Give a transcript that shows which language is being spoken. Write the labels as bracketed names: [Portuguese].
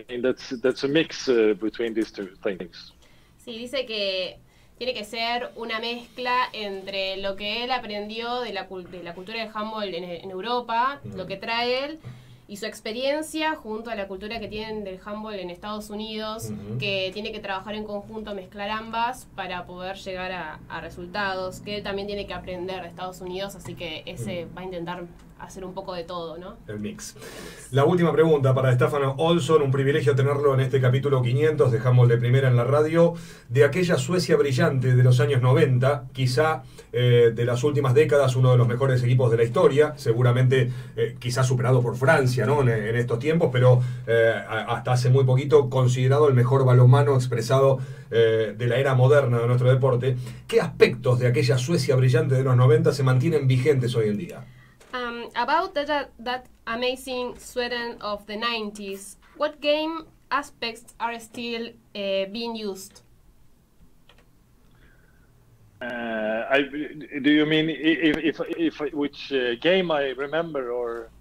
[English] So I mean that's a mix between these two things. [Spanish] Sí, dice que tiene que ser una mezcla entre lo que él aprendió de la cultura de handball en Europa, lo que trae él, y su experiencia junto a la cultura que tienen del handball en Estados Unidos, uh-huh. que tiene que trabajar en conjunto, mezclar ambas para poder llegar a resultados, que él también tiene que aprender de Estados Unidos, así que ese uh-huh. va a intentar hacer un poco de todo, ¿no? El mix. La última pregunta para Staffan Olsson, un privilegio tenerlo en este capítulo 500 de Handball de Primera en la radio, de aquella Suecia brillante de los años 90, quizá de las últimas décadas uno de los mejores equipos de la historia, seguramente quizá superado por Francia, ¿no? En estos tiempos, pero hasta hace muy poquito considerado el mejor balonmano expresado de la era moderna de nuestro deporte. ¿Qué aspectos de aquella Suecia brillante de los 90 se mantienen vigentes hoy en día? [English] About that amazing Sweden of the 90s, what game aspects are still being used? Do you mean which game I remember or?